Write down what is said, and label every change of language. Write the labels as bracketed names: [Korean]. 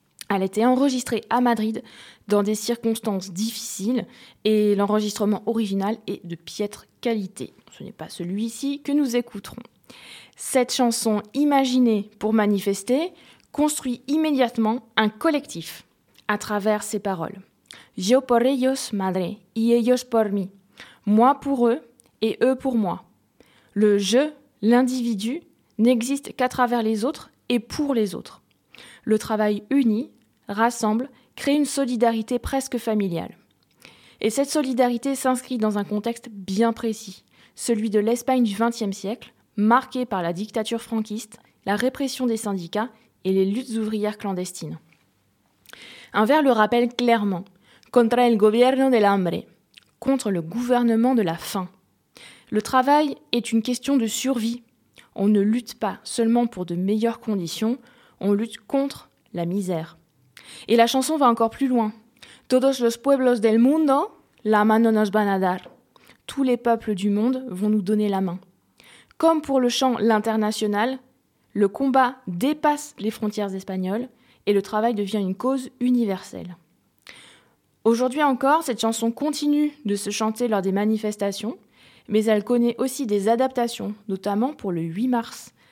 [French] Elle a été enregistrée à Madrid dans des circonstances difficiles et l'enregistrement original est de piètre qualité. Ce n'est pas celui-ci que nous écouterons. Cette chanson imaginée pour manifester construit immédiatement un collectif à travers ses paroles. [Spanish] « Yo por ellos, madre, y ellos por mí. [French] Moi pour eux et eux pour moi. Le je, l'individu, n'existe qu'à travers les autres et pour les autres. Le travail unit, rassemble, crée une solidarité presque familiale. Et cette solidarité s'inscrit dans un contexte bien précis, celui de l'Espagne du XXe siècle, marquée par la dictature franquiste, la répression des syndicats et les luttes ouvrières clandestines. Un vers le rappelle clairement, « [Spanish] Contra el gobierno del hambre [French] », contre le gouvernement de la faim. Le travail est une question de survie. On ne lutte pas seulement pour de meilleures conditions, on lutte contre la misère. Et la chanson va encore plus loin. [Spanish] Todos los pueblos del mundo, la mano nos van a dar. [French] Tous les peuples du monde vont nous donner la main. Comme pour le chant l'international, le combat dépasse les frontières espagnoles et le travail devient une cause universelle. Aujourd'hui encore, cette chanson continue de se chanter lors des manifestations, mais elle connaît aussi des adaptations, notamment pour le 8 mars.